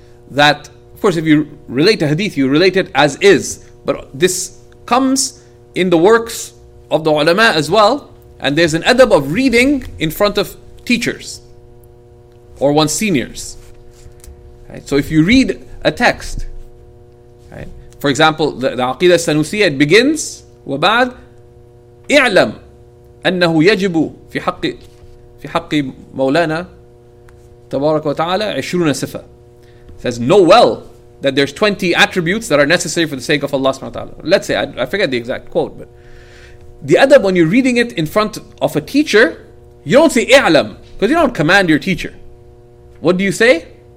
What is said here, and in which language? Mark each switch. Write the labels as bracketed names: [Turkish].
[English] That, of course, if you relate a hadith, you relate it as is. But this comes in the works of the ulama as well. And there's an adab of reading in front of teachers or one's seniors. Right? So if you read a text, right? For example, the Aqidah Sanusiyah, it begins, [Arabic] وَبَعْدْ اِعْلَمْ أَنَّهُ يَجِبُ فِي حَقِّ مَوْلَانَا تَبَارَكَ وَتَعَالَى 20 صِفَةً. [English] Says, know well that there's 20 attributes that are necessary for the sake of Allah subhanahu wa ta'ala. Let's say, I forget the exact quote, but the adab when you're reading it in front of a teacher, you don't say i'lam, because you don't command your teacher. What do you say?